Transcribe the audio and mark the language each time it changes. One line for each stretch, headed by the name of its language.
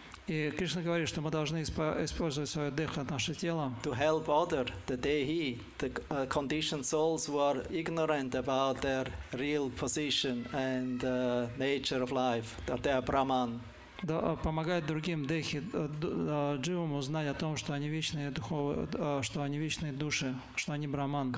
Russian: И Кришна говорит, что мы должны использовать свое деха, наше тело.
English: To help other, the dehi, the conditioned souls who are ignorant about their real position and nature of life, that they are brahman.
Russian: Да, помогает другим дехи, дживам узнать о том, что они вечные духовные, что они вечные души, что они брахман.